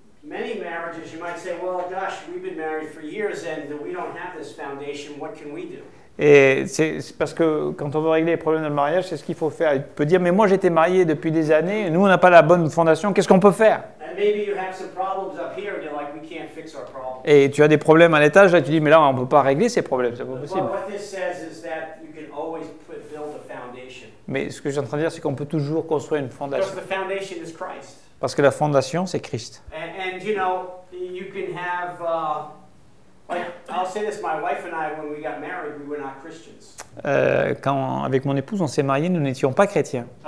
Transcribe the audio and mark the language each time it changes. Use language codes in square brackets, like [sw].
[en] Many marriages, you might say, well, gosh, we've been married for years and we don't have this foundation, what can we do? [fr] Et c'est parce que quand on veut régler les problèmes de mariage, c'est ce qu'il faut faire. Il peut dire, mais moi j'étais marié depuis des années, nous on n'a pas la bonne fondation, qu'est-ce qu'on peut faire? [en] And maybe you have some problems up here and you're like, we can't fix our problems. [fr] Et tu as des problèmes à l'étage, là tu dis, mais là on ne peut pas régler ces problèmes, c'est pas possible. [en] But what this says is that you can always build a foundation. [fr] Mais ce que je suis en train de dire, c'est qu'on peut toujours construire une fondation. [en] Because the foundation is Christ. [fr] Parce que la fondation, c'est Christ. [en] And you know, you can have, I'll say this, my wife and I, when we got married, we were not Christians. [fr] Avec mon épouse, on s'est mariés, nous n'étions pas chrétiens.